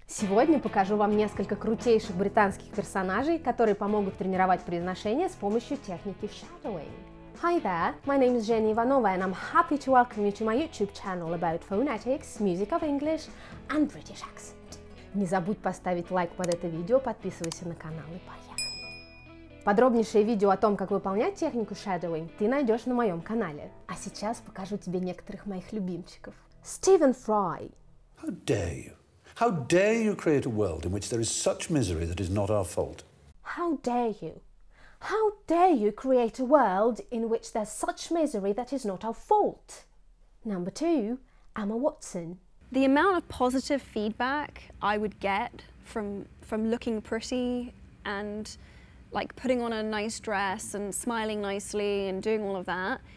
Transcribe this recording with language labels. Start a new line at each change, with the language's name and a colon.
Russian: Сегодня покажу вам несколько крутейших британских персонажей, которые помогут тренировать произношение с помощью техники shadowing.
English: Hi there, my name is Jenny Ivanova and I'm happy to welcome you to my YouTube channel about phonetics, music of English and British accent.
Russian: Не забудь поставить лайк под это видео, подписывайся на канал и поехали! Подробнейшее видео о том, как выполнять технику shadowing, ты найдешь на моем канале. А сейчас покажу тебе некоторых моих любимчиков. Стивен Фрай.
English: How dare you? How dare you create a world in which there is such misery that is not our fault? How dare you? How dare you create a world in which there's such misery that is not our fault? Number two, Emma Watson. The amount of positive feedback I would get from looking pretty and like putting on a nice dress and smiling nicely and doing all of that.